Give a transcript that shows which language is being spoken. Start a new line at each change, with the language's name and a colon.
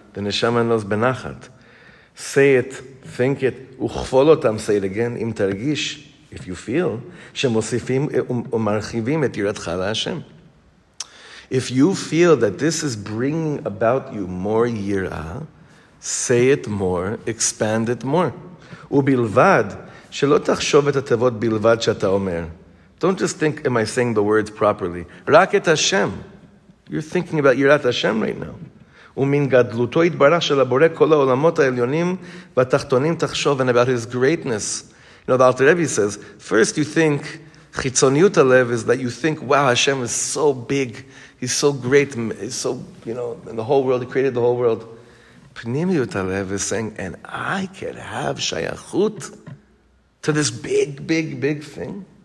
English: The neshama knows benachat. Say it, think it,
Hebrew: uchvol otam,
English: say it again,
Hebrew: im tergish,
English: if you feel,
Hebrew: shemosifim umarchivim et yiratcha l'Hashem.
English: If you feel that this is bringing about you more yirah, say it more, expand it more.
Hebrew: ובלבד שלא תחשוב את התיבות בלבד שאתה אומר.
English: Don't just think, am I saying the words properly?
Hebrew: רק את השם.
English: You're thinking about יראת השם right now.
Hebrew: ומן גדלותו יתברך של הבורא כל העולמות העליונים והתחתונים תחשוב,
English: and about his greatness. You know, the Alter Rebbe says, first you think, חיצוניות הלב is that you think, wow, Hashem is so big, he's so great, he's so, you know, in the whole world, he created the whole world. Pnimiyut HaLev is saying, and I can have shayachut to this big, big, big thing.